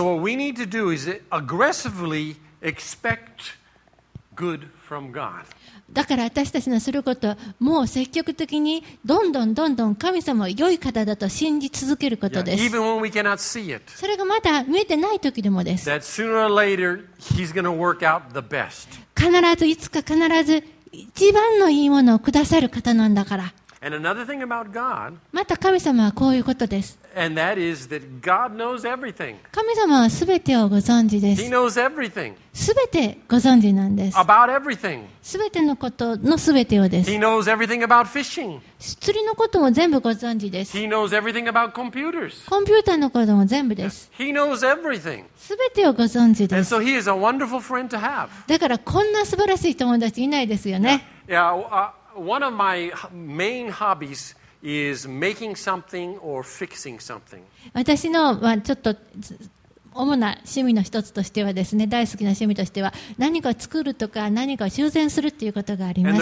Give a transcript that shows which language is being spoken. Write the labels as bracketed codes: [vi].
[en] And so what we need to do is aggressively expect good from God. [ja] だから私たちのすることはもう積極的にどんどんどんどん神様は良い方だと信じ続けることです。 [en] Yeah, even when we cannot see it, [ja] それがまだ見えてない時でもです。 [en] That sooner or later, he's gonna work out the best. [ja] 必ずいつか必ず一番のいいものをくださる方なんだから。 [en] And another thing about God, [ja] また神様はこういうことです。 [en] And that is that God knows everything. [ja] 神様は全てをご存知です。 [en] He knows everything. [ja] すべてご存知なんです。 [en] About everything. [ja] すべてのことのすべてをです。 [en] He knows everything about fishing. [ja] 釣りのことも全部ご存知です。 [en] He knows everything about computers. [ja] コンピューターのことも全部です。 [en] He knows everything. [ja] すべてをご存知です。 [en] And so he is a wonderful friend to have. [ja] だからこんな素晴らしい友達いないですよね。 [en] Yeah, yeah. One of my main hobbies is making something or fixing something. [ja] 私のまあちょっと主な趣味の一つとしてはですね、大好きな趣味としては何かを作るとか何かを修繕するということがあります。